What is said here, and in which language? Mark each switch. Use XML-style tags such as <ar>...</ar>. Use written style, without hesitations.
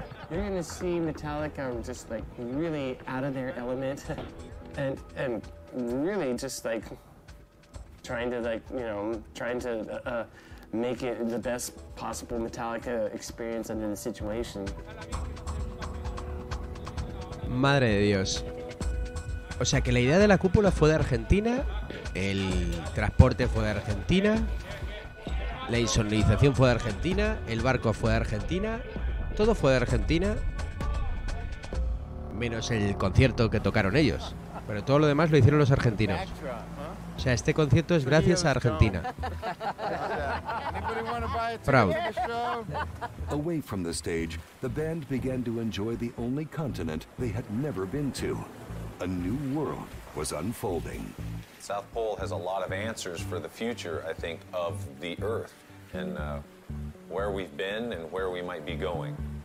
<en>You're gonna see Metallica just like really out of their element and really just like trying to make it the best possible Metallica experience under the situation.</en> <es>Madre de Dios. O sea que la idea de la cúpula fue de Argentina, el transporte fue de Argentina, la insonorización fue de Argentina, el barco fue de Argentina, todo fue de Argentina, menos el concierto que tocaron ellos. Pero todo lo demás lo hicieron los argentinos. O sea, este concierto es gracias a Argentina.</es> <en>Proud. Away from the stage, the band began to enjoy the only continent they had never been to. A new world was unfolding. South Pole has a lot of answers for the future, I think, of the Earth and where we've been and where we might be going.</en>